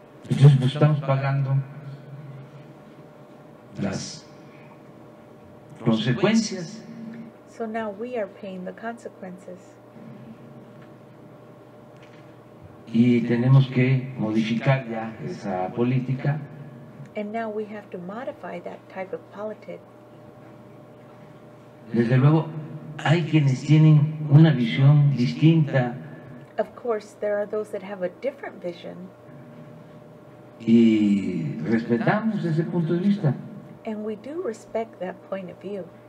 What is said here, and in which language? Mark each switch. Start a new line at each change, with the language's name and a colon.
Spanish: Entonces pues estamos pagando las consecuencias.
English: So now we are paying the consequences.
Spanish: Y tenemos que modificar ya esa política.
English: And now we have to modify that type of politics.
Spanish: Desde luego, hay quienes tienen una visión distinta.
English: Of course, there are those that have a different vision.
Spanish: Y respetamos ese punto de vista.
English: And we do respect that point of view.